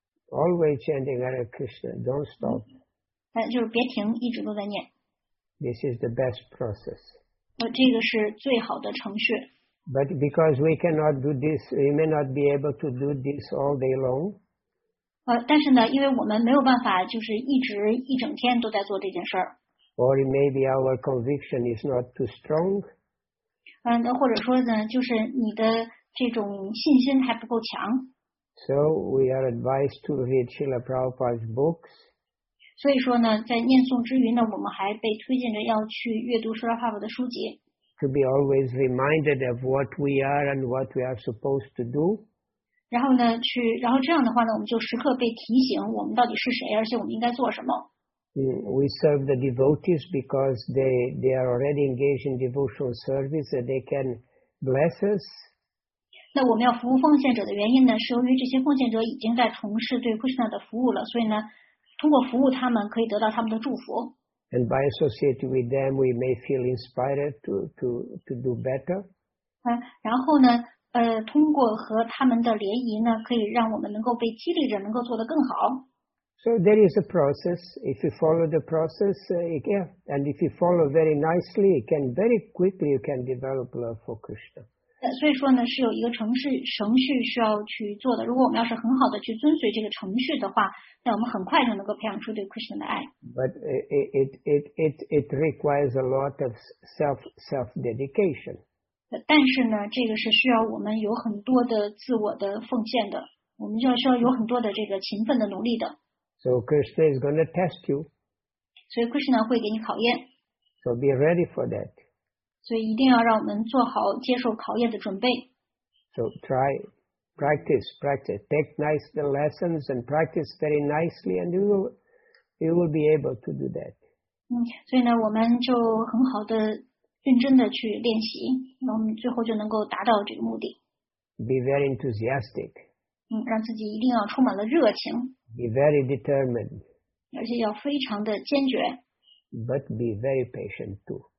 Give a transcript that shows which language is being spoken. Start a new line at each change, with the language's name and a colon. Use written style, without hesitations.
English: Always chanting Hare Krishna, don't stop.
Chinese: 就是别停，一直都在念。
English: This is the best process.
Chinese: 这个是最好的程序。
English: But because we cannot do this, we may not be able to do this all day long.
Chinese: 但是呢，因为我们没有办法，就是一直一整天都在做这件事儿。
English: Or maybe our conviction is not too strong.
Chinese: 或者说呢，就是你的这种信心还不够强。
English: So we are advised to read Srila Prabhupada's books.
Chinese: 所以说呢，在念诵之余呢，我们还被推荐着要去阅读 Srila Prabhupada 的书籍。
English: To be always reminded of what we are and what we are supposed to do.
Chinese: 然后呢，这样的话呢，我们就时刻被提醒我们到底是谁，而且我们应该做什么。
English: We serve the devotees because they are already engaged in devotional service and they can bless us.
Chinese: 那我们要服务奉献者的原因呢，是由于这些奉献者已经在从事对 Krishna 的服务了，所以呢，通过服务他们可以得到他们的祝福。
English: And by associating with them, we may feel inspired to do better.
Chinese: 然后呢，通过和他们的联谊呢，可以让我们能够被激励着，能够做得更好。
English: So there is a process. If you follow the process, yeah. And if you follow very nicely, you can very quickly you can develop love for Krishna.
Chinese: 所以说呢，是有一个程序需要去做的。如果我们要是很好的去遵随这个程序的话，那我们很快就能够培养出对 Krishna 的爱。
English: But it requires a lot of self dedication.
Chinese: 但是呢，这个是需要我们有很多的自我的奉献的，我们就要需要有很多的这个勤奋的努力的。
English: So Krishna is going to test you.
Chinese: 所以 Krishna 会给你考验。
English: So be ready for that.
Chinese: 所以一定要让我们做好接受考验的准备。
English: So try, practice, take nice the lessons and practice very nicely, and you will be able to do that.
Chinese: 所以呢，我们就很好的、认真的去练习，然后我们最后就能够达到这个目的。
English: Be very enthusiastic.
Chinese: 让自己一定要充满了热情。
English: Be very determined.
Chinese: 而且要非常的坚决。
English: But be very patient too.